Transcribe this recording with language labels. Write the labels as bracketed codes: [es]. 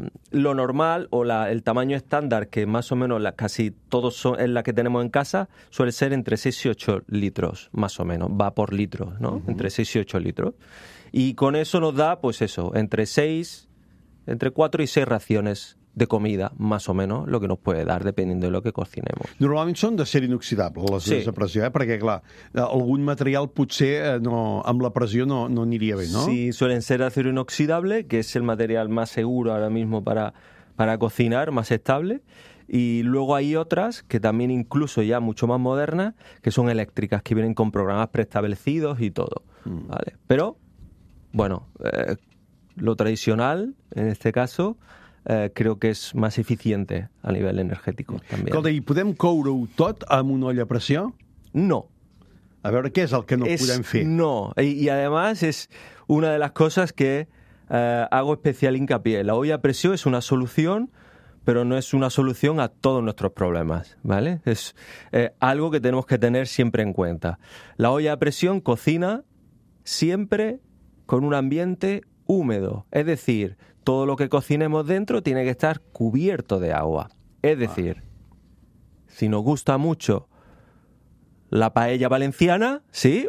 [es] Lo normal o el tamaño estándar, que más o menos casi todos son en la que tenemos en casa, suele ser entre 6 y 8 litros, más o menos. Va por litro, ¿no? Uh-huh. Entre 6 y 8 litros. Y con eso nos da, pues eso, entre 4 y 6 raciones de comida, más o menos, lo que nos puede dar, dependiendo de lo que cocinemos. [ca] Normalment són d'acer inoxidable, les sí. de pressió, eh? Perquè, clar, algun material potser no, amb la pressió no aniria bé, no? [es] Sí, suelen ser acero inoxidable, que es el material más seguro ahora mismo para cocinar, más estable. Y luego hay otras, que también incluso ya mucho más modernas, que son eléctricas, que vienen con programas preestablecidos y todo. Mm. ¿Vale? Pero, bueno, lo tradicional, en este caso, creo que [ca] és més eficient a nivell energètic. Escolta, i podem coure-ho tot amb una olla a pressió? No. A veure, què és el que no podem fer? No, i además és una de les coses que [es] hago especial hincapié. [ca] La olla a pressió és una solució, però no és una solució a tots els nostres problemes. [es] ¿Vale? És algo que tenemos que tener siempre en cuenta. La olla a pressió cocina siempre con un ambiente húmedo, es decir, todo lo que cocinemos dentro tiene que estar cubierto de agua. Es decir, si nos gusta mucho la paella valenciana, ¿sí?